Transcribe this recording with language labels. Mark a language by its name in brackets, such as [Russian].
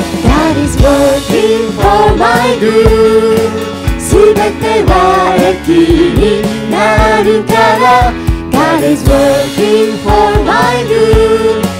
[English] God is working for my good。 [Japanese] すべては益になるから。 [English] God is working for my good。